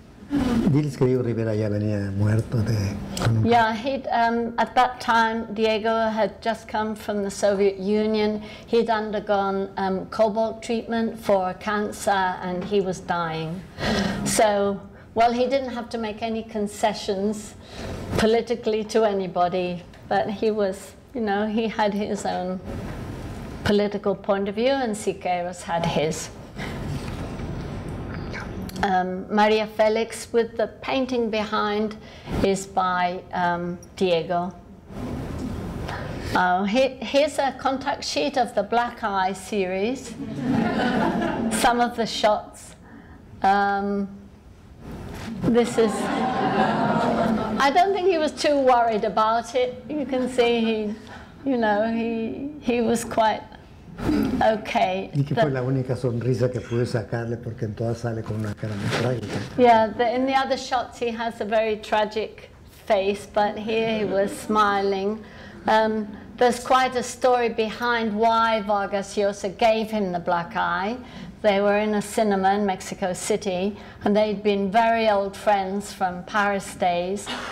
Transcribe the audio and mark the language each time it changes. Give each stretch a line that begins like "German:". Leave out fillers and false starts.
Spanish: Diles que Diego Rivera ya venía muerto de...
English: Yeah, he'd, at that time, Diego had just come from the Soviet Union. He'd undergone cobalt treatment for cancer, and he was dying. So, well, he didn't have to make any concessions politically to anybody, but he was, you know, he had his own political point of view, and Siqueiros had his. Maria Felix, with the painting behind, is by Diego. Here's a contact sheet of the Black Eye series. Some of the shots. This is... I don't think he was too worried about it. You can see he, you know, he was quite okay.
Spanish: Y que fue la única sonrisa que pude sacarle porque en todas sale con una cara muy trágica.
English: Yeah, in the other shots he has a very tragic face, but here he was smiling. There's quite a story behind why Vargas Llosa gave him the black eye. They were in a cinema in Mexico City, and they'd been very old friends from Paris days.